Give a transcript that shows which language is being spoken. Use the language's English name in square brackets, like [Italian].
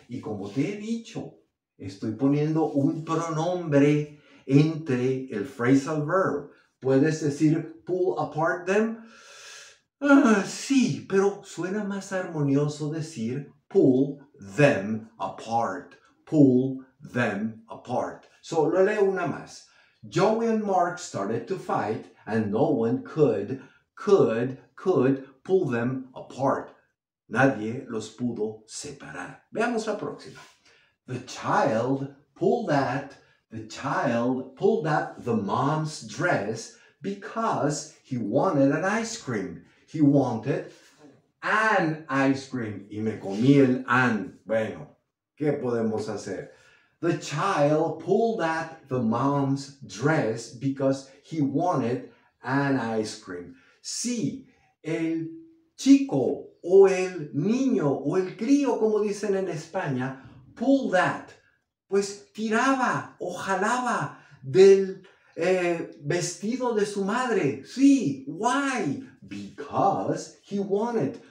[Spanish] Y como te he dicho, estoy poniendo un pronombre entre el phrasal verb. ¿Puedes decir [English] pull apart them? [Spanish] Sí, pero suena más armonioso decir [English] pull them apart. Pull them apart. [Spanish] Solo leo una más. [English] Joey and Mark started to fight and no one could pull them apart. [Spanish] Nadie los pudo separar. Veamos la próxima. [English] The child pulled at the mom's dress because he wanted an ice cream. He wanted an ice cream. [Spanish] Y me comí el an. Bueno, ¿qué podemos hacer? [English] The child pulled at the mom's dress because he wanted an ice cream. [Spanish] Sí, el chico o el niño o el crío, como dicen en España, [English] pulled at, [Spanish] pues tiraba o jalaba del vestido de su madre. [English] Sí, why? Because he wanted.